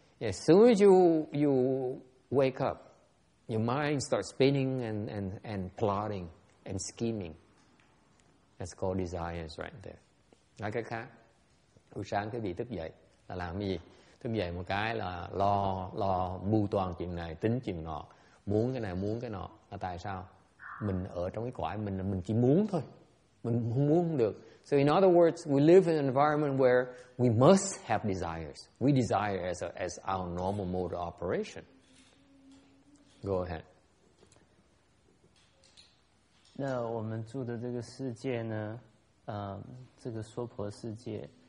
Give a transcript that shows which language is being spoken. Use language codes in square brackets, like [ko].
[en] As soon as you wake up, your mind starts spinning and plotting and scheming. That's called desires right there. [vi] Nói cách khác. Buổi sáng cái gì thức dậy là làm cái gì? Thức dậy một cái là lo mưu toàn chuyện này, tính chuyện nọ, muốn cái này muốn cái nọ. Là tại sao? Mình ở trong cái cõi mình chỉ muốn thôi, mình không muốn không được. [en] So in other words, we live in an environment where we must have desires. We desire as our normal mode of operation. Go ahead. [zh] 那我们住的这个世界呢？这个娑婆世界。